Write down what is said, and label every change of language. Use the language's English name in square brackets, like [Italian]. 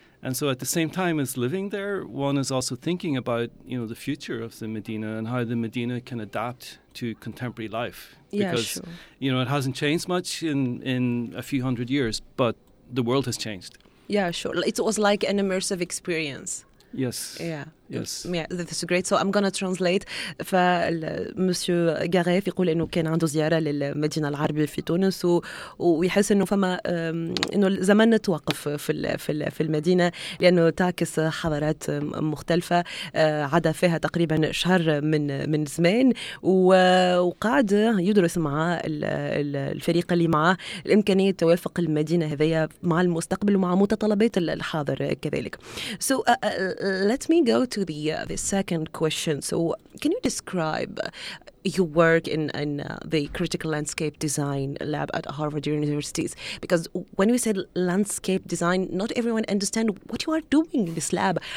[English] And so at the same time as living there, one is also thinking about, you know, the future of the Medina and how the Medina can adapt to contemporary life. Because, yeah, sure. You know, it hasn't changed much in a few hundred years, but the world has changed. Yeah, sure. It was like an immersive experience. Yes. Yeah. Yes. Yeah, that's great. So I'm going to translate. [Arabic] Monsieur Garef يقول انه كان عنده زياره للمدينه العربيه في تونس ويحس انه فما انه الزمن توقف في المدينه لانه تعكس حضارات مختلفه عدا فيها تقريبا شهر من زمان وقعد يدرس مع الفريق اللي معه الامكانيه توافق المدينه هذيا مع المستقبل ومع متطلبات الحاضر كذلك. [English] So let me go to the second question. So can you describe your work in the critical landscape design lab at Harvard University? Because when we said landscape design, not everyone understand what you are doing in this lab.